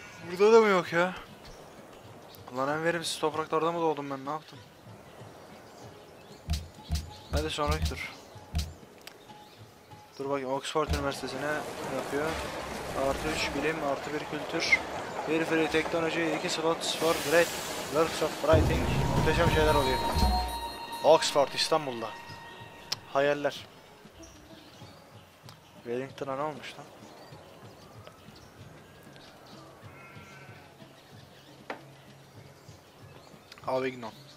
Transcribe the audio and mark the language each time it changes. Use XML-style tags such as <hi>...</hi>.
<tr>Burada da mı yok ya? Lan en verimsiz topraklarda mı doğdum ben, ne yaptım? Hadi sonraki dur. Dur bakayım, Oxford Üniversitesi'ne yapıyor. +3 bilim, +1 kültür.</tr> <en>1 free technology, 2 slots for great works of writing.</en> <tr>Muhteşem şeyler oluyor. Oxford, İstanbul'da. Hayaller. Wellington'a ne olmuş lan? Avignon.</tr>